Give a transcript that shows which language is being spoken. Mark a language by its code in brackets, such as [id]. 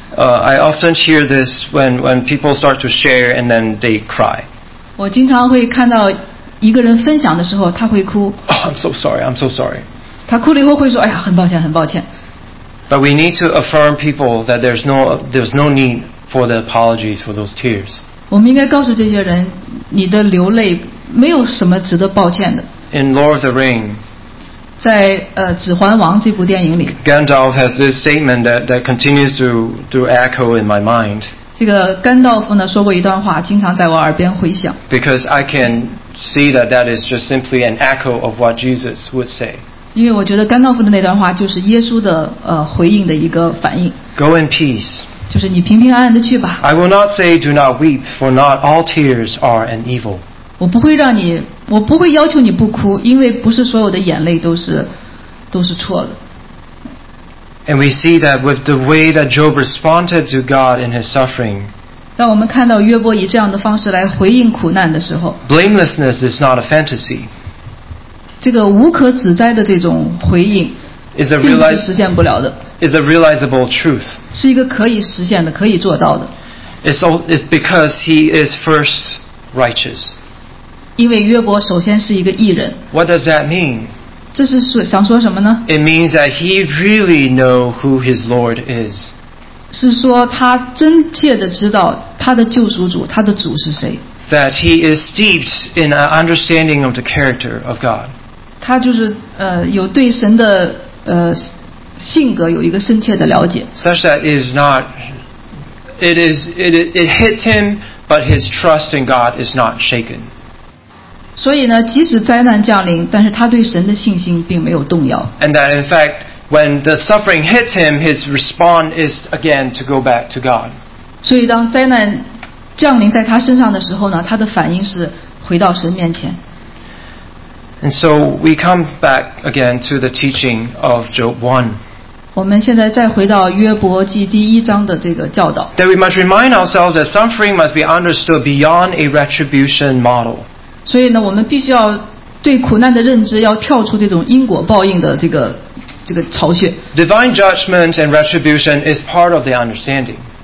[en] I often hear this when people start to share and then they cry. [zh] 我经常会看到一个人分享的时候他会哭。 [en] Oh, I'm so sorry. [zh] 他哭了以后会说哎呀很抱歉。 [en] But we need to affirm people that there's no need for the apologies for those tears. [zh] 我们应该告诉这些人，你的流泪没有什么值得抱歉的。 [en] In Lord of the Ring， [zh] 在《指环王》这部电影里 [en] ，Gandalf has this statement that continues to echo in my mind。 [zh] 这个甘道夫呢说过一段话，经常在我耳边回响。 [en] Because I can see that is just simply an echo of what Jesus would say。 [zh] 因为我觉得甘道夫的那段话就是耶稣的回应的一个反应。 [en] Go in peace。 [zh] 就是你平平安安的去吧。 [en] I will not say do not weep, for not all tears are an evil. [zh] 我不会要求你不哭，因为不是所有的眼泪都是错的。 [en] And we see that with the way that Job responded to God in his suffering. [zh] 当我们看到约伯以这样的方式来回应苦难的时候 [en] ，blamelessness is not a fantasy. [zh] 这个无可指摘的这种回应。 [en] is a realizable truth. [zh] 是一个可以实现的，可以做到的。 [en] It's because he is first righteous. [zh] 因为约伯首先是一个义人。 [en] What does that mean? [zh] 这是想说什么呢？ [en] It means that he really knows who his Lord is. [zh] 是说他真切的知道他的救赎主，他的主是谁。 [en] That he is steeped in an understanding of the character of God. [zh] 他就是有对神的性格有一个深切的了解。 [en] Such that it hits him, but his trust in God is not shaken. [zh] 所以呢，即使灾难降临，但是他对神的信心并没有动摇。 [en] And that in fact, when the suffering hits him, his response is again to go back to God. [zh] 所以当灾难降临在他身上的时候呢，他的反应是回到神面前。 [en] And so we come back again to the teaching of Job 1. [zh] 我们现在再回到约伯记第一章的这个教导。 [en] That we must remind ourselves that suffering must be understood beyond a retribution model. [zh] 所以呢，我们必须要对苦难的认知要跳出这种因果报应的这个巢穴。 [en] Divine judgment and retribution is part of the understanding.